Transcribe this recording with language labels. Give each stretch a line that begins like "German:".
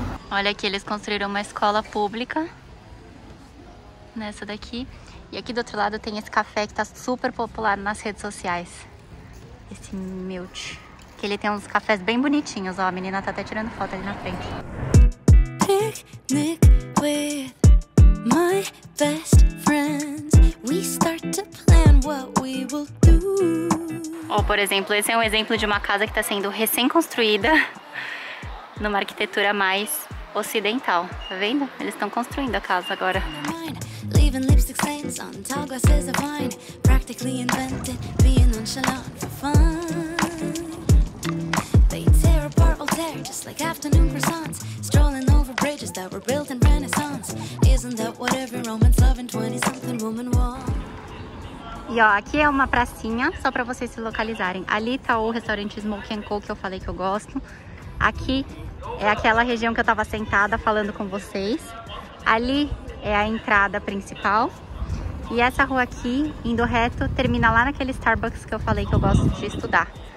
Portuguese: Olha aqui, eles construíram uma escola pública nessa daqui. E aqui do outro lado tem esse café que tá super popular nas redes sociais. Esse Milt. Que ele tem uns cafés bem bonitinhos, ó. A menina tá até tirando foto ali na frente.
English: Picnic with my best friends. We start to plan what we will do.
Portuguese: Ou, por exemplo, esse é um exemplo de uma casa que tá sendo recém-construída numa arquitetura mais ocidental. Tá vendo? Eles estão construindo a casa agora.
English: Leaving lipstick stains on tall glasses of wine. Practically invented being nonchalant for fun. They tear apart Voltaire just like afternoon croissants. Strolling over bridges that were built in Renaissance. Isn't that what every Roman's loving 20-something woman wants?
Portuguese: E ó, aqui é uma pracinha, só pra vocês se localizarem. Ali tá o restaurante Smoke & Co, que eu falei que eu gosto. Aqui é aquela região que eu tava sentada falando com vocês. Ali é a entrada principal. E essa rua aqui, indo reto, termina lá naquele Starbucks que eu falei que eu gosto de estudar.